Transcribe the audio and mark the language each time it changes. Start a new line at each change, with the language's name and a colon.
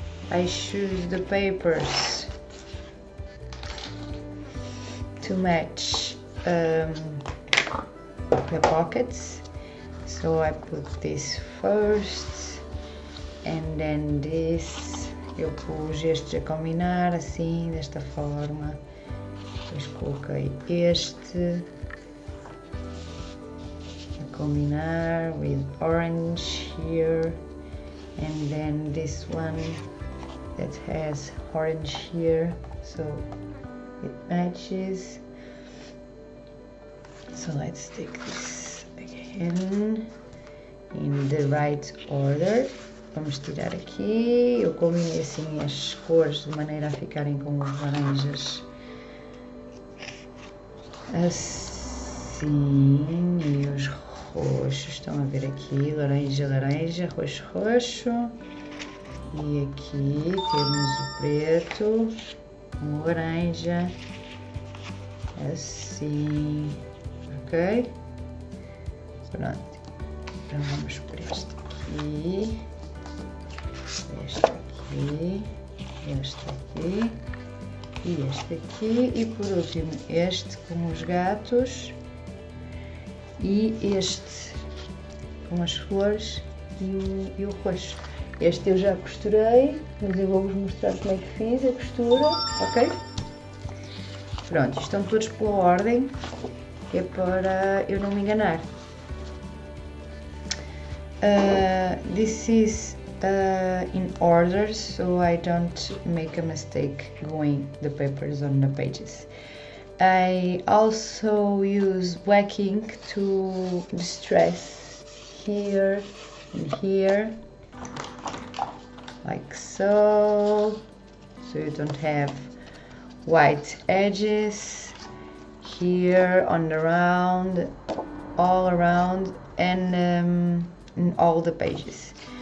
English: I choose the papers to match the pockets, so I put this first and then this.
Portuguese: Eu pus estes a combinar assim, desta forma. Depois coloquei este a combinar
English: with orange here and then this one that has orange here, so it matches. So let's take this again in the right order.
Portuguese: Vamos tirar aqui. Eu combinei assim as cores de maneira a ficarem com os laranjas assim e os roxos. Estão a ver aqui: laranja, laranja, roxo, roxo. E aqui temos o preto com o laranja assim. Ok, pronto, então vamos por este aqui, este aqui e este aqui, e por último este com os gatos e este com as flores e o roxo. Este eu já costurei, mas eu vou-vos mostrar como é que fiz a costura, ok? Pronto, estão todos pela ordem, que é para eu não me enganar.
English: This is in order, so I don't make a mistake going the papers on the pages. I also use black ink to distress here and here, like so, so you don't have white edges here on the round, all around, and in all the pages.